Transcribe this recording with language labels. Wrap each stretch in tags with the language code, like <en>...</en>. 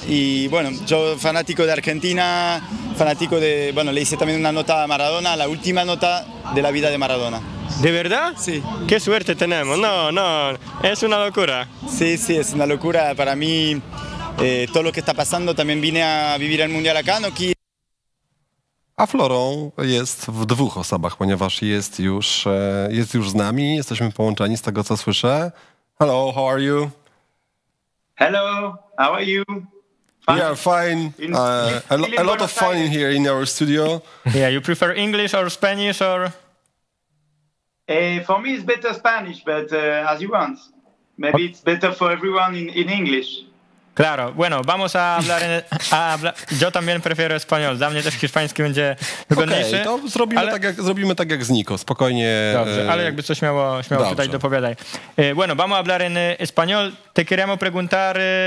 <es>Y bueno, yo fanático de Argentina... Fanático de, bueno, le hice también una nota a Maradona, la última nota de la vida de Maradona. ¿De verdad? Sí. Qué suerte tenemos. No, no, es una locura. Sí, sí, es una locura. Para mí, todo lo que está pasando, también vine a vivir el Mundial acá, no quiero.</es> <pl>A Florą jest w dwóch osobach, ponieważ jest już z nami, jesteśmy połączeni z tego, co słyszę.</pl> <en>Hello, how are you? Hello, how are you? We are fine. A lot of fun here in our studio. Yeah, you prefer English or Spanish or? For me, it's better Spanish, but as you want. Maybe it's better for everyone in English.</en> <es>Claro, bueno, vamos a hablar. Yo también prefiero español.</es> <pl>Dla mnie też hiszpański będzie wygodniejszy. Okay, to zrobimy tak jak z Niko, spokojnie. Dobrze, ale jakby coś śmiało tutaj dopowiadaj.</pl> <es>Bueno, vamos a hablar en español. Te queremos preguntar.</es>